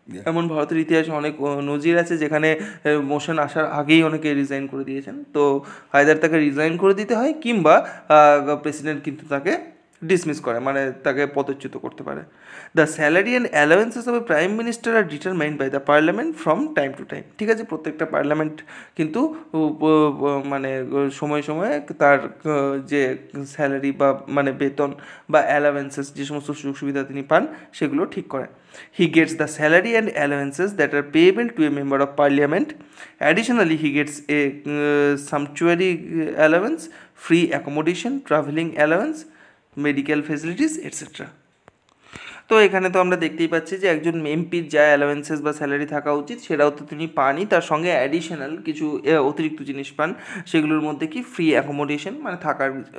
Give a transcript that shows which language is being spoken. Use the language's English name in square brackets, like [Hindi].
[Bangla] এমন ভারতের ইতিহাসে অনেক নজির আছে যেখানে মোশন আসার আগেই অনেকে রিজাইন করে দিয়েছেন তো হায়দার তাকে রিজাইন করে দিতে হয় কিংবা প্রেসিডেন্ট কিন্তু তাকে ডিসমিস করে মানে তাকে পদচ্যুত করতে পারে [English] the salary and allowances of a prime minister are determined by the parliament from time to time [Bangla] ঠিক আছে প্রত্যেকটা পার্লামেন্ট কিন্তু মানে সময়ে সময়ে তার যে স্যালারি বা মানে বেতন বা অ্যালাওয়েন্সেস যে সমস্ত সুযোগ সুবিধা তিনি পান সেগুলো ঠিক করে [English] He gets the salary and allowances that are payable to a member of parliament. Additionally, he gets a sumptuary allowance, free accommodation, travelling allowance, medical facilities, etc. [Bangla] তো এখানে তো আমরা দেখতেই পাচ্ছি যে একজন এমপির যা অ্যালাওয়েন্সেস বা স্যালারি থাকা উচিত সেটাও তো তিনি পানই তার সঙ্গে অ্যাডিশনাল কিছু অতিরিক্ত জিনিস পান সেগুলোর মধ্যে কি ফ্রি অ্যাকোমোডেশন মানে থাকার